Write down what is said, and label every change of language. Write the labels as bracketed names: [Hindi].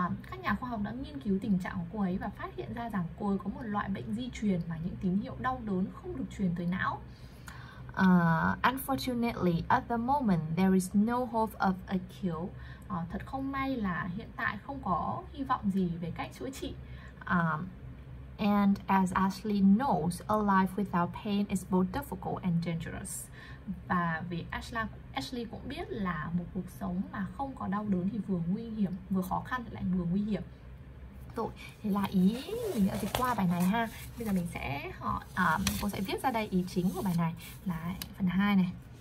[Vietnamese] Các nhà khoa học đã nghiên cứu tình trạng của cô ấy và phát hiện ra rằng cô ấy có một loại bệnh di truyền mà những tín hiệu đau đớn không được truyền tới não. [English] Unfortunately, at the moment, there is no hope of a cure. [Vietnamese] Thật không may là hiện tại không có hy vọng gì về cách chữa trị. [English] And as Ashley knows, a life without pain is both difficult and dangerous. [Vietnamese] Và vì Ashley cũng biết là một cuộc sống mà không có đau đớn thì vừa nguy hiểm, vừa khó khăn lại vừa nguy hiểm. Rồi, thế là ý mình đã dịch qua bài này ha. Bây giờ mình sẽ cô sẽ viết ra đây ý chính của bài này là phần 2 này.